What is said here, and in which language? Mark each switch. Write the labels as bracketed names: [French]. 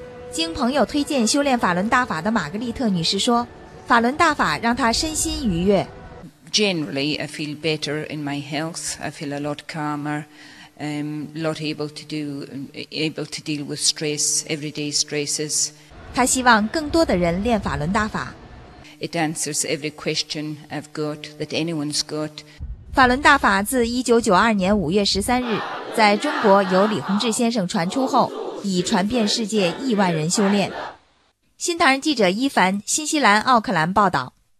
[Chinese] 经朋友推荐修炼法轮大法的玛格丽特女士说，法轮大法让她身心愉悦。 [English] Generally, I feel better in my health. I feel a lot calmer, lot able to deal with stress, everyday stresses. [Chinese] 她希望更多的人练法轮大法。 [English] It answers every question I've got that anyone's got. [Chinese] 法轮大法自1992年5月13日在中国由李洪志先生传出后，已传遍世界亿万人修炼。新唐人记者伊凡，新西兰奥克兰报道。